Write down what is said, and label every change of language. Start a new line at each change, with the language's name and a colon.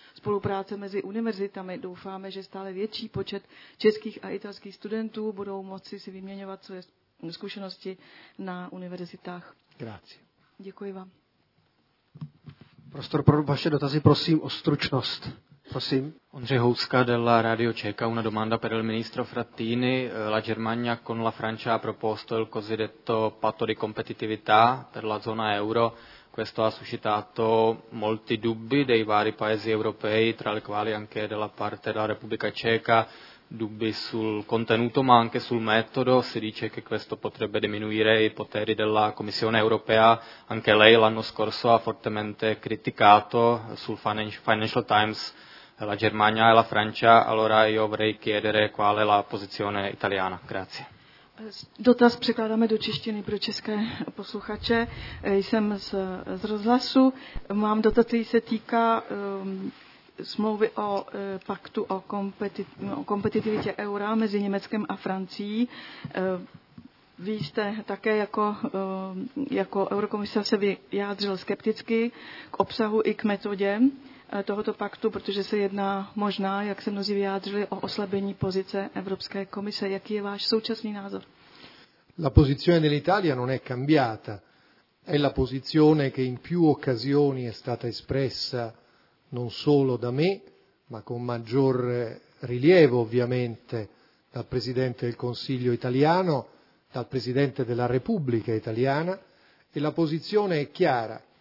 Czech: Spolupráce mezi univerzitami. Doufáme, že stále větší počet českých a italských studentů budou moci si vyměňovat své zkušenosti na univerzitách.
Italian: Grazie.
Czech: Děkuji vám. Prostor pro vaše dotazy, prosím o stručnost. Prosím.
Italian: Ondřej Houska della Radio Ceca, una domanda per il ministro Frattini. La Germania con la Francia ha proposto il cosiddetto patto di competitività per la zona euro. Questo ha suscitato molti dubbi dei vari paesi europei, tra i quali anche della parte della Repubblica Ceca, dubbi sul contenuto ma anche sul metodo. Si dice che questo potrebbe diminuire i poteri della Commissione europea. Anche lei l'anno scorso ha fortemente criticato sul Financial Times la Germania e la Francia. Allora io vorrei chiedere qual è la posizione italiana. Grazie.
Czech: Dotaz překládáme do češtiny pro české posluchače. Jsem z rozhlasu. Mám dotaz, který se týká smlouvy o paktu o kompetitivitě eura mezi Německem a Francií. Vy jste také jako eurokomisař se vyjádřil skepticky k obsahu i k metodě tohoto paktu, protože se jedná možná, jak se mnozí vyjádřili, o oslabení pozice Evropské komise. Jaký je váš současný názor?
Italian: La posizione dell'Italia non è cambiata. È la posizione che in più occasioni è stata espressa non solo da me, ma con maggior rilievo ovviamente dal Presidente del Consiglio italiano, dal Presidente della Repubblica italiana, e la posizione è chiara.